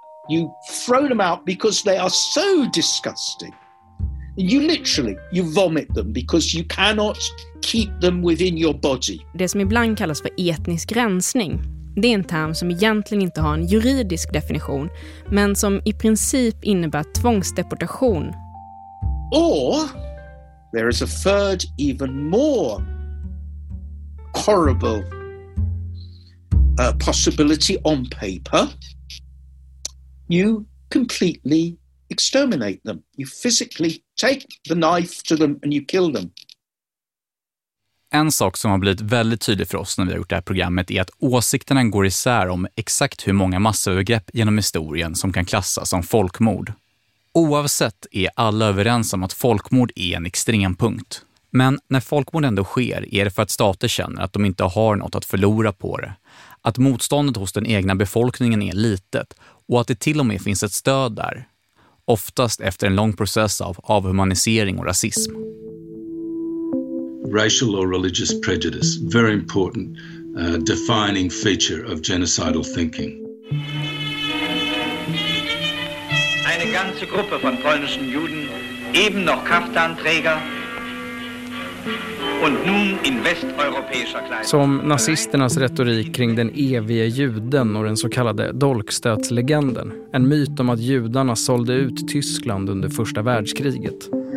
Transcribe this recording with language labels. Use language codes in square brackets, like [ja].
[en] You throw them out because they are so disgusting. You vomit them because you cannot keep them within your body. [sv] Det som ibland kallas för etnisk rensning, det är en term som egentligen inte har en juridisk definition, men som i princip innebär tvångsdeportation. [en] Or there is a third, even more horrible possibility on paper. You completely exterminate them. You physically take the knife to them and you kill them. [sv] En sak som har blivit väldigt tydlig för oss när vi har gjort det här programmet är att åsikterna går isär om exakt hur många massövergrepp genom historien som kan klassas som folkmord. Oavsett är alla överens om att folkmord är en extrempunkt. Men när folkmord ändå sker är det för att stater känner att de inte har något att förlora på det. Att motståndet hos den egna befolkningen är litet och att det till och med finns ett stöd där. Oftast efter en lång process av avhumanisering och rasism. [en] Racial or religious prejudice, very important defining feature of genocidal thinking. [de] Eine ganze Gruppe von polnischen Juden, eben noch Kaftanträger und nun in westeuropäischer Kleidung. [sv] Som nazisternas retorik kring den evige juden och den så kallade dolkstötslegenden, en myt om att judarna sålde ut Tyskland under första världskriget.